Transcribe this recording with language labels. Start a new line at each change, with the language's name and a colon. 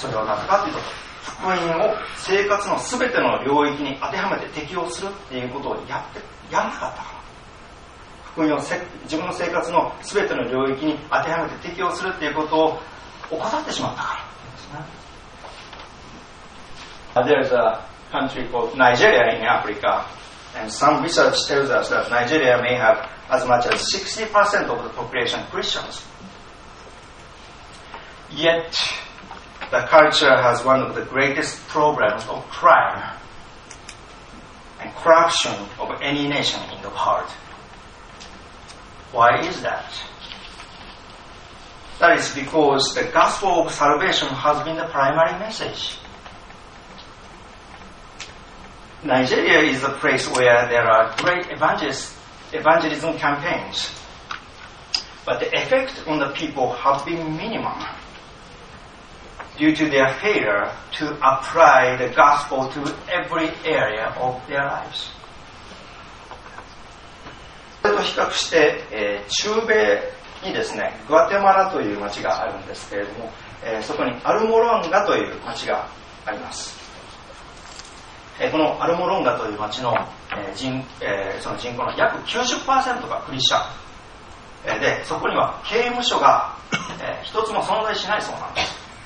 Japanese: それはなぜかというと、福音を生活の全ての領域に当てはめて適用するっていうことをやらなかったから。福音を自分の生活の全ての領域に当てはめて適用するっていうことを怠ってしまったからですね。
English: There is a country called Nigeria in Africa, and some research tells us that Nigeria may have as much as 60% of the population Christians. Yet, the culture has one of the greatest problems of crime and corruption of any nation in the world. Why is that? That is because the gospel of salvation has been the primary message. Nigeria is a place where there are great evangelism campaigns, but the effect on the people have been minimum due to their failure to apply the gospel to every area of their lives.
Japanese: それと比較して、中米にですね、グアテマラという町があるんですけれども、そこにアルモロンガという町があります。このアルモロンガという町の その人口の約 90% がクリスチャンで、そこには刑務所が一つも存在しないそうなんです。